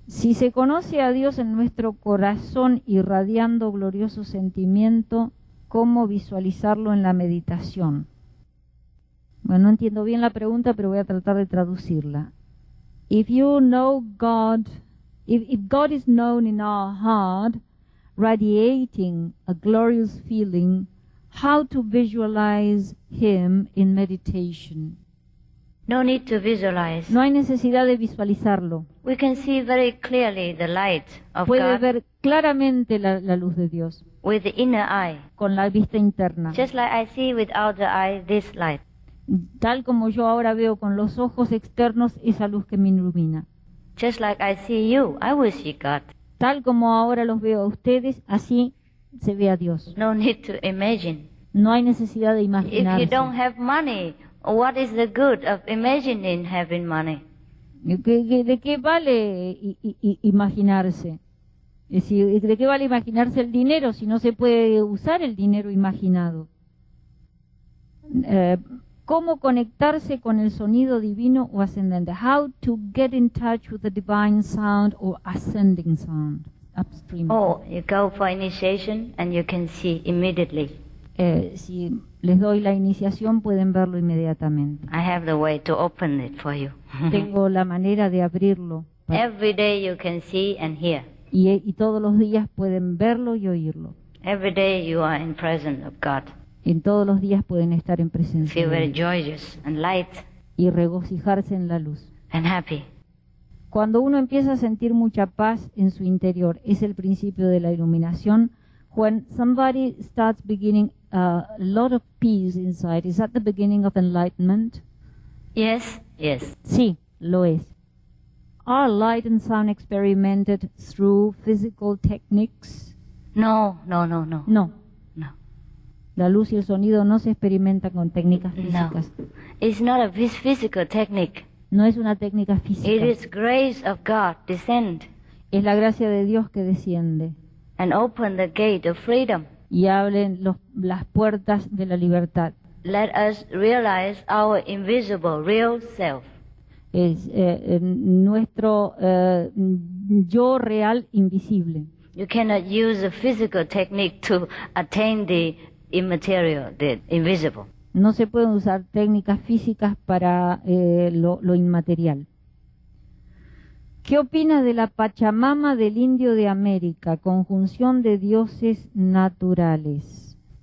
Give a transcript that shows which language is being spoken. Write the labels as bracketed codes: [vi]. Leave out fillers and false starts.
[es] Si se conoce a Dios en nuestro corazón irradiando glorioso sentimiento, ¿cómo visualizarlo en la meditación? Bueno, no entiendo bien la pregunta, pero voy a tratar de traducirla. [en] If you know God, if God is known in our heart, radiating a glorious feeling, how to visualize Him in meditation? No need to visualize. [es] No hay necesidad de visualizarlo. [en] We can see very clearly the light of [es] Puede [en] God. [es] Puede ver claramente la luz de Dios. [en] With the inner eye. [es] Con la vista interna. [en] Just like I see with outer eye this light. [es] Tal como yo ahora veo con los ojos externos esa luz que me ilumina. [en] Just like I see you, I will see God. [es] Tal como ahora los veo a ustedes, así se ve a Dios. [en] No need to imagine. [es] No hay necesidad de imaginarse. [en] If you don't have money, what is the good of imagining having money? [es] ¿De qué vale imaginarse? Es decir, ¿de qué vale imaginarse el dinero si no se puede usar el dinero imaginado? ¿Cómo conectarse con el sonido divino o ascendente? [en] How to get in touch with the divine sound or ascending sound upstream? Oh, you go for initiation and you can see immediately. [es] Si les doy la iniciación, pueden verlo inmediatamente. [en] I have the way to open it for you. [es] Tengo la manera de abrirlo. [en] Every day you can see and hear. [es] Y todos los días pueden verlo y oírlo. [en] Every day you are in presence of God. [es] En todos los días pueden estar en presencia [en] Feel [es] de Dios. [en] Very joyous and light. [es] Y regocijarse en la luz. [en] And happy. [es] Cuando uno empieza a sentir mucha paz en su interior, es el principio de la iluminación. [en] When somebody starts beginning a lot of peace inside, is that the beginning of enlightenment? Yes, yes. [es] Sí, lo es. [en] Are light and sound experimented through physical techniques? No. [es] No. La luz y el sonido no se experimentan con técnicas físicas. [en] No. It's not a physical technique. [es] No es una técnica física. [en] It is grace of God descend. [es] Es la gracia de Dios que desciende. [en] And open the gate of freedom. [es] Y abren las puertas de la libertad. [en] Let us realize our invisible real self. [es] Es nuestro yo real invisible. [en] You cannot use a physical technique to attain the immaterial, the invisible. [es] No se pueden usar técnicas físicas para lo inmaterial. ¿Qué opina de la Pachamama del Indio de América, conjunción de dioses naturales?